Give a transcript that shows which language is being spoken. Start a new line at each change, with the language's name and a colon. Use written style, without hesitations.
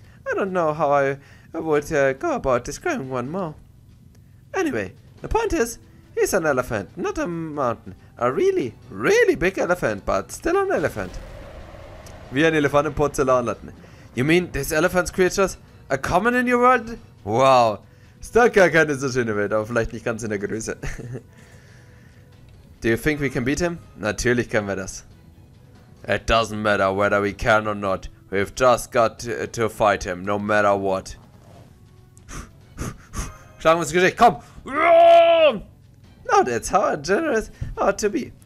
English: I don't know how I would go about describing one more. Anyway, the point is, he's an elephant, not a mountain. A really, really big elephant, but still an elephant.
German: Wie ein Elefant im Porzellanladen.
English: You mean these elephant creatures are common in your world? Wow,
German: ist doch gar keine so schöne Welt, aber vielleicht nicht ganz in der Größe.
English: Do you think we can beat him?
German: Natürlich können wir das.
English: It doesn't matter whether we can or not. We've just got to fight him, no matter what.
German: Schlagen wir ins Gesicht, komm!
English: Now that's how a general ought to be.